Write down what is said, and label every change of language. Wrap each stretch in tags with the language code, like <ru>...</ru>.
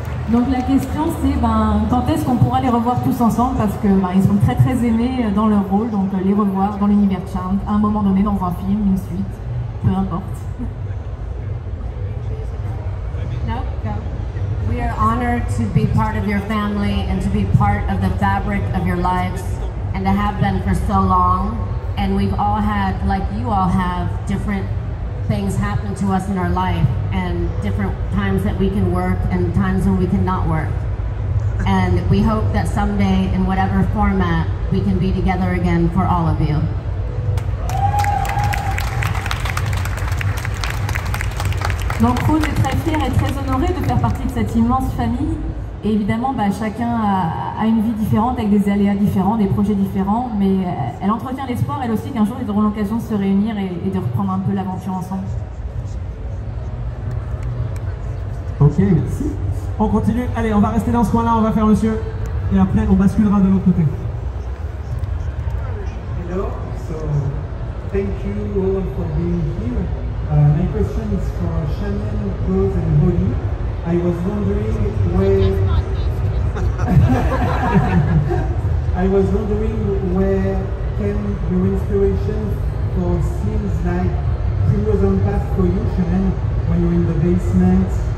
<fr>Donc la question c'est ben, quand est-ce qu'on pourra les revoir tous ensemble parce que ben, ils sont très très aimés dans leur rôle, donc les revoir dans l'univers Charmed, à un moment donné dans un film, une suite, peu importe.</fr> <en>No, go. We are honored to be part of your family and to be part of the fabric of your lives and to have been for so long. And we've all had, like you all have, different things happen to us in our life and different times that we can work and times when we cannot work. And we hope that someday, in whatever format, we can be together again for all of you.</en> <fr>Donc Rose est très fière et très honorée de faire partie de cette immense famille. Et évidemment, bah, chacun a une vie différente, avec des aléas différents, des projets différents, mais elle entretient l'espoir, elle aussi, qu'un jour, ils auront l'occasion de se réunir et de reprendre un peu l'aventure ensemble. Ok, merci. On continue. Allez, on va rester dans ce coin-là, on va faire monsieur. Et après, on basculera de l'autre côté.</fr> <en>Hello, so thank you all for being here. My question is for Shannon, Rose, and Holly. I was wondering where. I was wondering where came your inspiration for scenes like Primrose and Path for you, Shannon, when you're in the basement.</en>